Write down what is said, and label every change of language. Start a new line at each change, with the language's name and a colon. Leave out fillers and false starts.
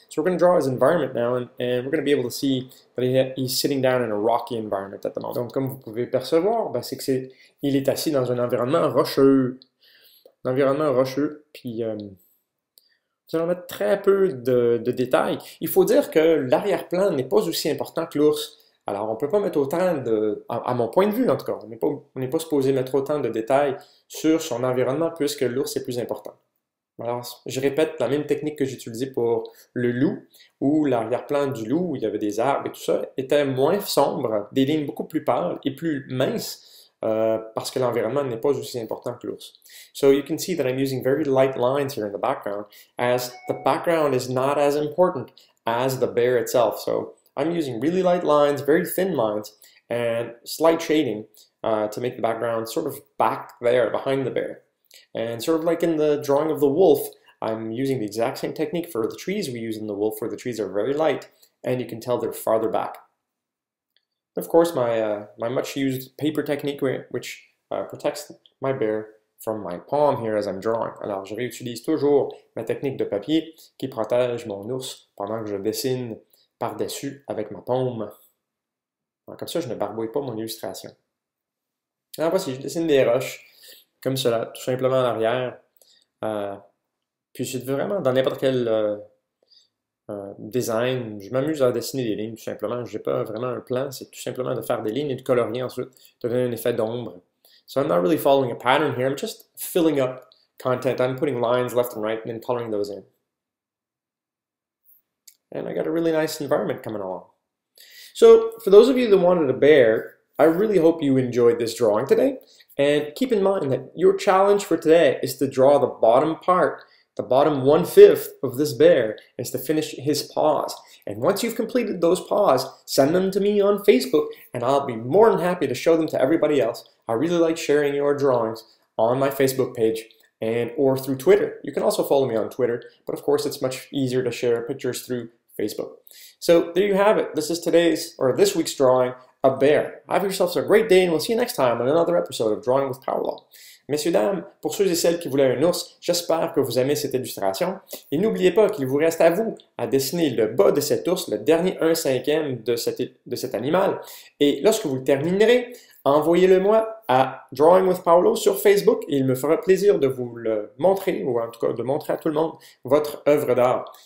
English: So we're going to draw his environment now, and we're going to be able to see that he's sitting down in a rocky environment at the moment.
French: Donc, comme vous pouvez percevoir, ben, c'est que c'est il est assis dans un environnement rocheux. Un environnement rocheux, puis nous allons mettre très peu de détails. Il faut dire que l'arrière-plan n'est pas aussi important que l'ours. Alors, on peut pas mettre autant de, à mon point de vue en tout cas, on n'est pas supposé mettre autant de détails sur son environnement puisque l'ours est plus important. Alors, je répète la même technique que j'ai utilisée pour le loup, où l'arrière-plan du loup, où il y avait des arbres et tout ça, était moins sombre, des lignes beaucoup plus pâles et plus minces, parce que l'environnement n'est pas aussi important que l'ours.
English: So you can see that I'm using very light lines here in the background, as the background is not as important as the bear itself. So I'm using really light lines, very thin lines, and slight shading, to make the background sort of back there, behind the bear. And sort of like in the drawing of the wolf, I'm using the exact same technique for the trees we use in the wolf, where the trees are very light, and you can tell they're farther back. Of course, my much used paper technique, which protects my bear from my palm here as I'm drawing.
French: Alors, je réutilise toujours ma technique de papier qui protège mon ours pendant que je dessine par-dessus avec ma paume. Alors, comme ça, je ne barbouille pas mon illustration. Alors, voici, je dessine des roches. Comme cela, tout simplement en arrière. Puis c'est vraiment dans n'importe quel design. Je m'amuse à dessiner des lignes, tout simplement. Je n'ai pas vraiment un plan. C'est tout simplement de faire des lignes et de colorier ensuite, de donner un effet d'ombre.
English: So I'm not really following a pattern here. I'm just filling up content. I'm putting lines left and right and then coloring those in. And I got a really nice environment coming along. So for those of you that wanted a bear, I really hope you enjoyed this drawing today. And keep in mind that your challenge for today is to draw the bottom part, the bottom one-fifth of this bear, is to finish his paws. And once you've completed those paws, send them to me on Facebook, and I'll be more than happy to show them to everybody else. I really like sharing your drawings on my Facebook page and or through Twitter. You can also follow me on Twitter, but of course it's much easier to share pictures through Facebook. So there you have it. This is today's or this week's drawing. A bear. Have yourselves a great day and we'll see you next time on another episode of Drawing with Paolo.
French: Messieurs, dames, pour ceux et celles qui voulaient un ours, j'espère que vous aimez cette illustration. Et n'oubliez pas qu'il vous reste à vous à dessiner le bas de cet ours, le dernier 1/5 de cet animal. Et lorsque vous le terminerez, envoyez-le-moi à Drawing with Paolo sur Facebook et il me fera plaisir de vous le montrer, ou en tout cas de montrer à tout le monde votre œuvre d'art.